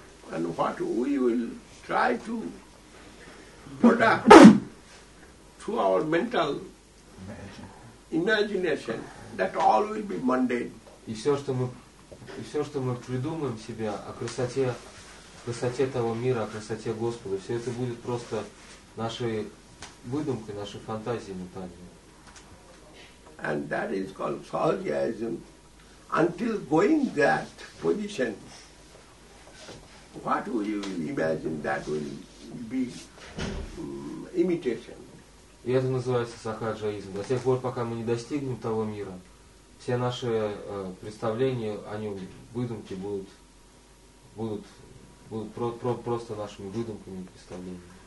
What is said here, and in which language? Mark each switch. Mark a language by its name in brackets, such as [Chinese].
[English] And what we will try to put up through our mental imagination, that all will be mundane. [Russian] И все, что мы придумаем себе о красоте того мира, о красоте Господа, все это будет просто нашей выдумкой, нашей фантазией ментальной. [English] And that is called sahajism. Until going that position, what will you imagine that will be imitation? [Russian] И это называется сахаджаизм. До тех пор, пока мы не достигнем того мира, все наши представления о нем, выдумки будут просто нашими выдумками и представлениями.